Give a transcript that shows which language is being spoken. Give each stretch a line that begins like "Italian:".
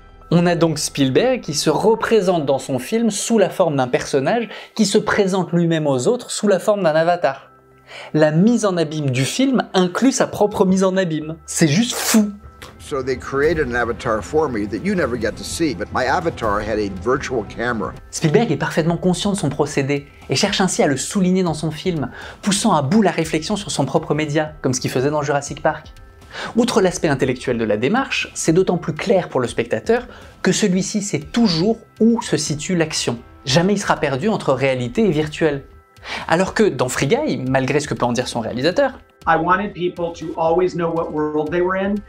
French: On a donc Spielberg qui se représente dans son film sous la forme d'un personnage qui se présente lui-même aux autres sous la forme d'un avatar. La mise en abîme du film inclut sa propre mise en abîme. C'est juste fou.
English: So they created an avatar for me that you never get to see, but my avatar had a virtual camera.
French: Spielberg est parfaitement conscient de son procédé et cherche ainsi à le souligner dans son film, poussant à bout la réflexion sur son propre média, comme ce qu'il faisait dans Jurassic Park. Outre l'aspect intellectuel de la démarche, c'est d'autant plus clair pour le spectateur que celui-ci sait toujours où se situe l'action. Jamais il sera perdu entre réalité et virtuel. Alors que dans Free Guy, malgré ce que peut en dire son réalisateur,
English: I wanted people to always know what world they were in.